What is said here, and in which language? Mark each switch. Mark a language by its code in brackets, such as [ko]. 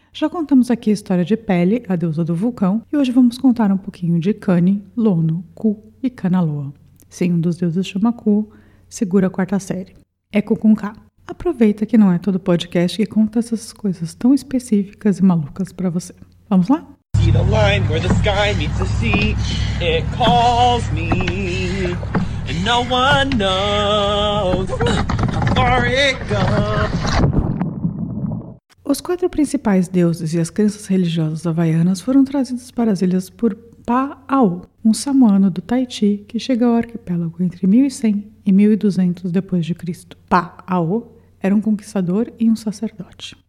[pt] Já contamos aqui a história de Pele, a deusa do vulcão, e hoje vamos contar um pouquinho de Kani, Lono, Ku e Kanaloa. Sim, um dos deuses chama Ku, segura a quarta série. É Ku com K. Aproveita que não é todo podcast que conta essas coisas tão específicas e malucas pra você. Vamos lá? [en] See the line where the sky meets the sea. It calls me. And no one knows how far it goes. [pt] Os quatro principais deuses e as crenças religiosas havaianas foram trazidos para as ilhas por Pa'au, um samoano do Tahiti que chega ao arquipélago entre 1100 e 1200 d.C. Pa'au era um conquistador e um sacerdote.